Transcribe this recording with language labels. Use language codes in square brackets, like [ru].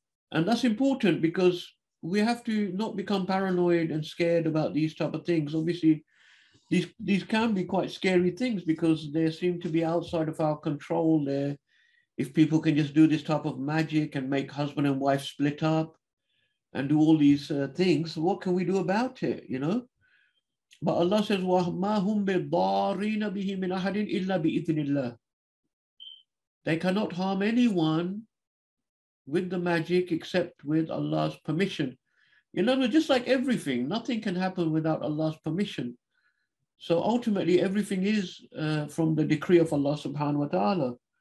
[en] And that's important because we have to not become paranoid and scared about these type of things. Obviously, these can be quite scary things because they seem to be outside of our control there. If people can just do this type of magic and make husband and wife split up and do all these things, what can we do about it, you know? But Allah says, [ar] وَمَا هُمْ بِضَارِينَ بِهِ مِنْ أَحَدٍ إِلَّا بِإِذْنِ اللَّهِ. [en] They cannot harm anyone with the magic except with Allah's permission. In other words, just like everything, nothing can happen without Allah's permission. So ultimately, everything is from the decree of Allah subhanahu wa ta'ala.